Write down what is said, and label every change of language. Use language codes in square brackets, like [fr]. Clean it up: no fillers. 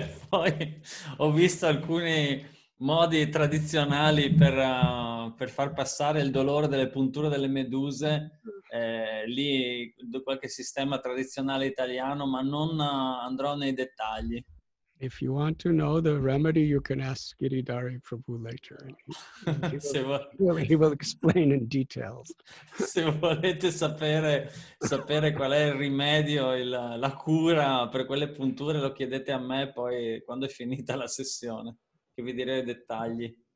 [it] Poi ho visto alcuni modi tradizionali per far passare il dolore delle punture delle meduse, lì qualche sistema tradizionale italiano, ma non andrò nei dettagli. [en] If you want to know the remedy, you can ask Giridhari Prabhu later. He will explain in details. [it] Se volete sapere qual è il rimedio, la cura per quelle punture, lo chiedete a me poi quando è finita la sessione, che vi direi i dettagli.